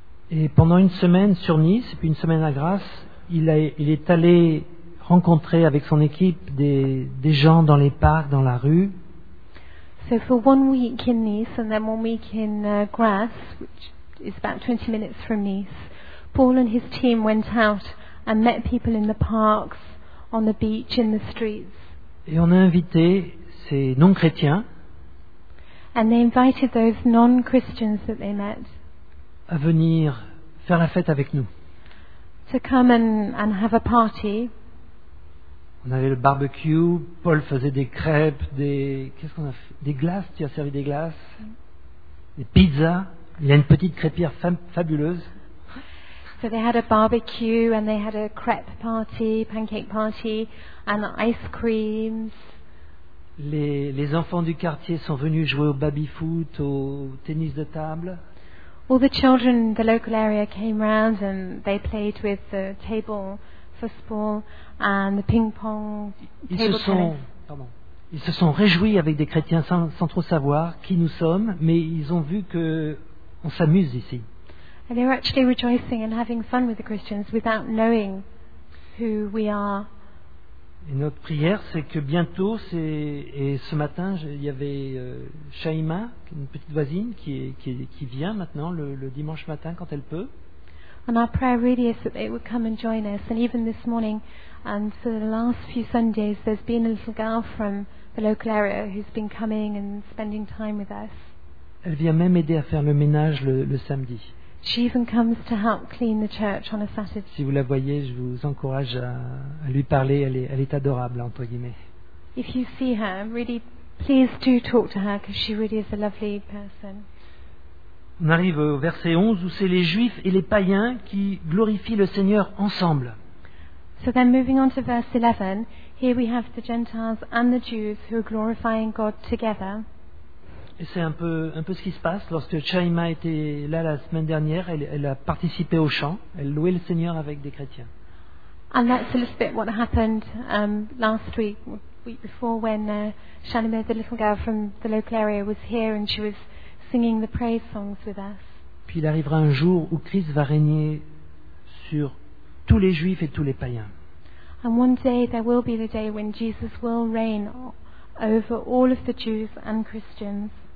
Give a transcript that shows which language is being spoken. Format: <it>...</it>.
<fr>Et pendant une semaine sur Nice, puis une semaine à Grasse, il est allé rencontrer avec son équipe des gens dans les parcs, dans la rue.</fr> <en>So for one week in Nice and then one week in Grasse, which is about 20 minutes from Nice. Paul and his team went out and met people in the parks, on the beach, in the streets.</en> <fr>Et on a invité ces non-chrétiens.</fr> <en>And they invited those non-Christians that they met</en> <fr>à venir faire la fête avec nous.</fr> <en>To come and have a party.</en> <fr>On avait le barbecue, Paul faisait des crêpes, des glaces, tu as servi des glaces, des pizzas, il y a une petite crêpière fabuleuse.</fr> <en>So they had a barbecue and they had a crêpe party, pancake party and ice creams.</en> <fr>Les enfants du quartier sont venus jouer au baby-foot, au tennis de table.</fr> <en>All the children in the local area came round and they played with the table football and the ping-pong table tennis.</en> <fr>Ils se sont réjouis avec des chrétiens sans trop savoir qui nous sommes, mais ils ont vu qu'on s'amuse ici.</fr> <en>And they were actually rejoicing and having fun with the Christians without knowing who we are.</en> <fr>Et notre prière, c'est que bientôt, et ce matin, il y avait Shaima, une petite voisine, qui vient maintenant le dimanche matin quand elle peut.</fr> <en>And our prayer really is that they would come and join us. And even this morning, and for the last few Sundays, there's been a little girl from the local area who's been coming and spending time with us.</en> <fr>Elle vient même aider à faire le ménage le samedi.</fr> <en>She even comes to help clean the church on a Saturday.</en> <fr>Si vous la voyez, je vous encourage à lui parler. Elle est adorable, entre guillemets.</fr> <en>If you see her, really, please do talk to her because she really is a lovely person.</en> <fr>On arrive au verset 11 où c'est les Juifs et les païens qui glorifient le Seigneur ensemble.</fr> <en>So then, moving on to verse 11, here we have the Gentiles and the Jews who are glorifying God together.</en> <fr>Et c'est un peu ce qui se passe lorsque Chaima était là la semaine dernière. Elle a participé au chant. Elle louait le Seigneur avec des chrétiens.</fr> <en>And that's a little bit what happened last week, week before, when Shalima, the little girl from the local area, was here and she was singing the praise songs with us.</en> <fr>Puis il arrivera un jour où Christ va régner sur tous les Juifs et tous les païens.</fr> <en>And one day there will be the day when Jesus will reign over all of the Jews and Christians.</en>